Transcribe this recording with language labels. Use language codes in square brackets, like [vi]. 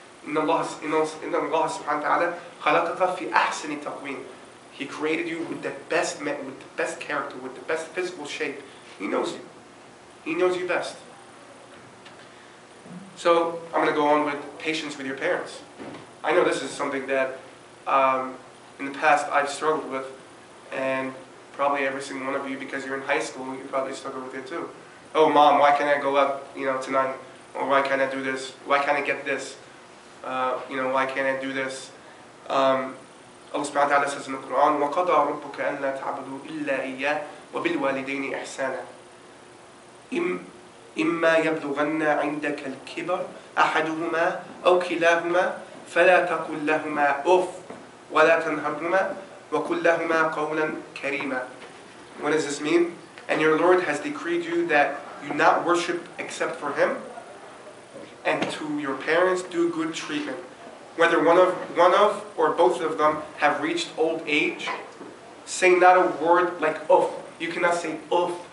[ar] إن الله سبحانه وتعالى خلقك في أحسن تقويم. [en] He created you with the best character, with the best physical shape. He knows you. He knows you best. So I'm gonna go on with patience with your parents. I know this is something that in the past I've struggled with, and probably every single one of you, because you're in high school, you probably struggle with it too. Oh mom, why can't I go up, you know, tonight? Or why can't I do this? Why can't I get this? You know, why can't I do this? Allah subhanahu wa ta'ala says in the Quran, [ar] وَقَضَى رُبُّكَ أَن لَا تَعْبُدُوا إِلَّا إِيَّا وَبِالْوَالِدَيْنِ إِحْسَانًا إِمَّا يَبْلُغَنَّ عِنْدَكَ الْكِبَرُ أَحَدُهُمَا أَوْ كِلَاهُمَا فَلَا تَقُلْ لَهُمَا أُفْ وَلَا تَنْهَرْهُمَا وَقُلْ لَهُمَا قَوْلًا كَرِيمًا. [en] What does this mean? And your Lord has decreed you that you not worship except for Him, and to your parents do good treatment. Whether one of or both of them have reached old age, say not a word like uff. You cannot say uff.